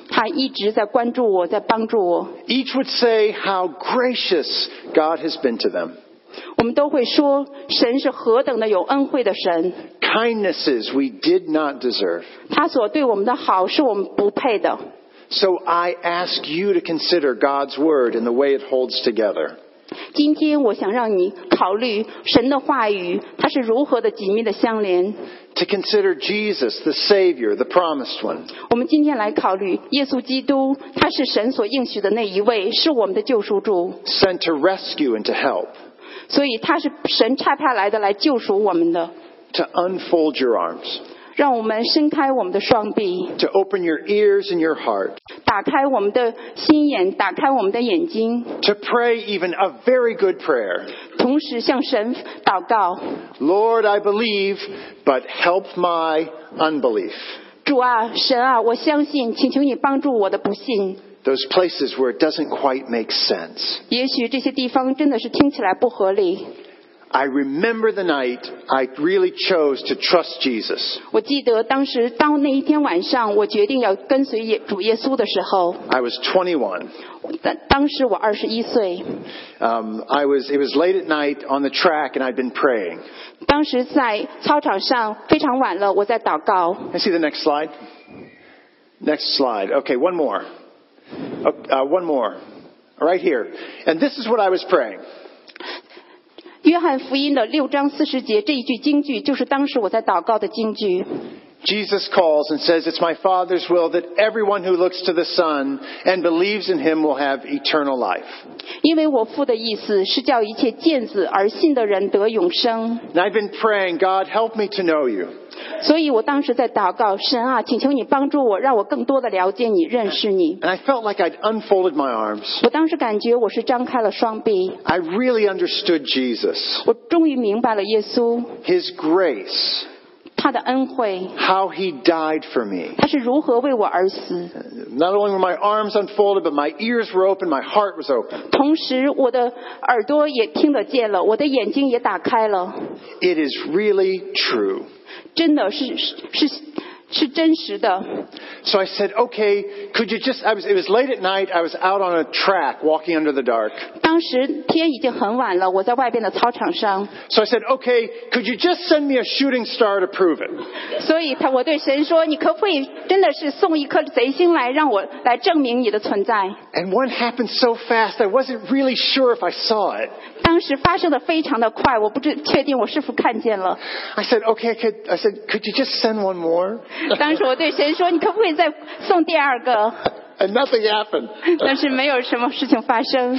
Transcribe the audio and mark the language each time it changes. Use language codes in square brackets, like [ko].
[zh] 他一直在关注我，在帮助我。 [en] Each would say how gracious God has been to them. [zh] 我们都会说，神是何等的有恩惠的神。 [en] Kindnesses we did not deserve. [zh] 他所对我们的好是我们不配的。 [en] So I ask you to consider God's word and the way it holds together. [zh] 今天我想让你考虑神的话语，它是如何的紧密的相连。 [en] To consider Jesus, the Savior, the Promised One. [zh] 我们今天来考虑耶稣基督，他是神所应许的那一位，是我们的救赎主。 [en] Sent to rescue and to help. [zh] 所以他是神差派来的，来救赎我们的。 [en] To unfold your arms. [zh] 让我们伸开我们的双臂 [en] To open your ears and your heart [zh] 打开我们的心眼打开我们的眼睛 [en] To pray even a very good prayer [zh] 同时向神祷告 [en] Lord, I believe, but help my unbelief [zh] 主啊神啊我相信请求你帮助我的不信 [en] Those places where it doesn't quite make sense [zh] 也许这些地方真的是听起来不合理 [en] I remember the night I really chose to trust Jesus. [zh] 我记得当时当那一天晚上我决定要跟随主耶稣的时候 [en] I was 21. [zh] 当时我21岁 [en] It was late at night on the track and I'd been praying. [zh] 当时在操场上非常晚了我在祷告 [en] Can I see the next slide? Next slide. Okay, one more. One more. Right here. And this is what I was praying. [zh] 约翰福音的六章四十节这一句经句就是当时我在祷告的经句 [en] Jesus calls and says It's my Father's will that everyone who looks to the Son and believes in him will have eternal life [zh] 因为我父的意思是叫一切见子而信的人得永生 [en] And I've been praying God help me to know you [zh] 所以我当时在祷告神啊请求你帮助我让我更多的了解你认识你 [en] And I felt like I'd unfolded my arms [zh] 我当时感觉我是张开了双臂 [en] I really understood Jesus [zh] 我终于明白了耶稣 [en] His grace [zh] 他的恩惠 [en] How he died for me [zh] 他是如何为我而死 [en] Not only were my arms unfolded but my ears were open my heart was open [zh] 同时我的耳朵也听得见了我的眼睛也打开了 [en] It is really true [zh] 真的是真实的 [en] So I said okay could you just it was late at night I was out on a track walking under the dark [zh] 当时天已经很晚了我在外边的操场上 [en] So I said okay could you just send me a shooting star to prove it [zh] 所以我对神说你可不可以真的是送一颗贼星来让我来证明你的存在 [en] And one happened so fast I wasn't really sure if I saw it [zh] 当时发生的非常的快我不确定我是否看见了 [en] I said okay could you just send one more [zh] 当时我对神说你可不可以再送第二个 [en] And nothing happened [zh] 但是没有什么事情发生